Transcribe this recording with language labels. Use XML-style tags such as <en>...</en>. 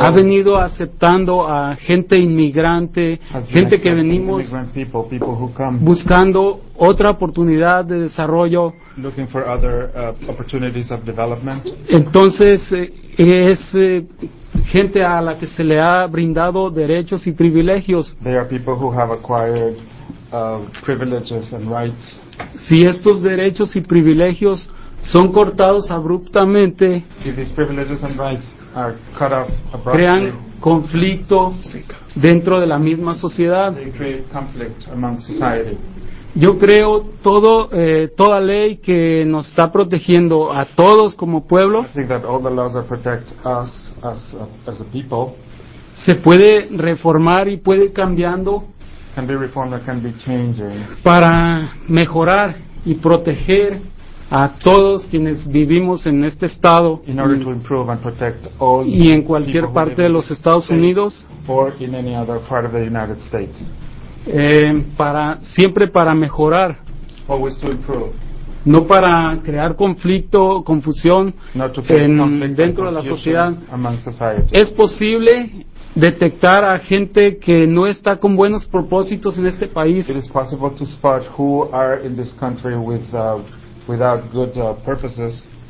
<es>ha venido aceptando a gente inmigrante, gente que venimos</es> <en>people who come,</en> <es>buscando otra oportunidad de desarrollo,</es> <en>looking for other, opportunities of development.</en> <es>Entonces es gente a la que se le ha brindado derechos y privilegios.</es> <en>They are people who have acquired privileges and rights.</en> <es>Si estos derechos y privilegios son cortados abruptamente,</es> <en>if these privileges and rights are cut off abruptly,</en> <es>crean conflicto dentro de la misma sociedad.</es> <en>They create conflict among society.</en> <es>Yo creo todo toda ley que nos está protegiendo a todos como pueblo,</es> <en>I think that all the laws that protect us as a people,</en> <es>se puede reformar y puede ir cambiando.</es> <en>Can be reformed or can be changed.</en> <es>Para mejorar y proteger a todos quienes vivimos en este estado</es> <en>in order to improve and protect all</en> <es>y en cualquier parte de los Estados Unidos</es> <en>or in any other part of the United States.</en> <es>Para siempre para mejorar.</es> <en>Always to improve.</en> <es>No para crear conflicto, confusión dentro de la sociedad.</es> <en>Among society.</en> <es>Es posible detectar a gente que no está con buenos propósitos en este país.</es> <en>It is possible to spot who are in this country without good purposes.</en>